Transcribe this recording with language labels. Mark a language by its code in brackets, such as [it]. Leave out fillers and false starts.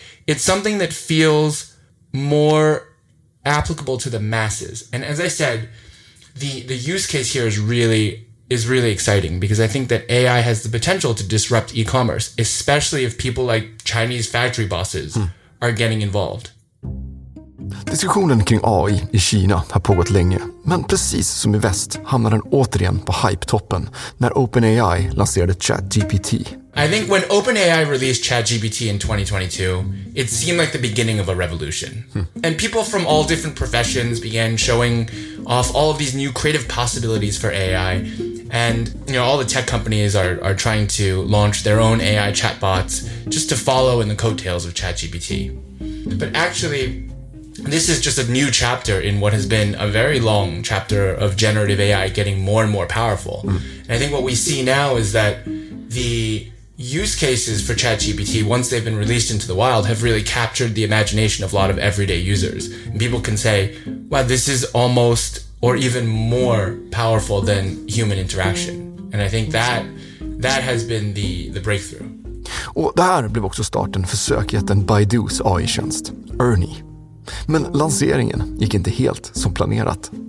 [en] It's something that feels more applicable to the masses. And as I said, the use case here is really exciting because I think that AI has the potential to disrupt e-commerce, especially if people like Chinese factory bosses are getting involved. [sv] Diskussionen kring AI i Kina har pågått länge, men precis som i väst hamnar den återigen på hype-toppen när OpenAI lanserade ChatGPT. [en] I think when OpenAI released ChatGPT in 2022, it seemed like the beginning of a revolution. And people from all different professions began showing off all of these new creative possibilities for AI. And, you know, all the tech companies are trying to launch their own AI chatbots just to follow in the coattails of ChatGPT. But actually, this is just a new chapter in what has been a very long chapter of generative AI getting more and more powerful. And I think what we see now is that the use cases for ChatGPT, once they've been released into the wild, have really captured the imagination of a lot of everyday users. And people can say, wow, this is almost or even more powerful than human interaction. And I think that has been the breakthrough. [sv] Och det här blev också starten för sökjätten Baidus AI-tjänst, Ernie. Men lanseringen gick inte helt som planerat.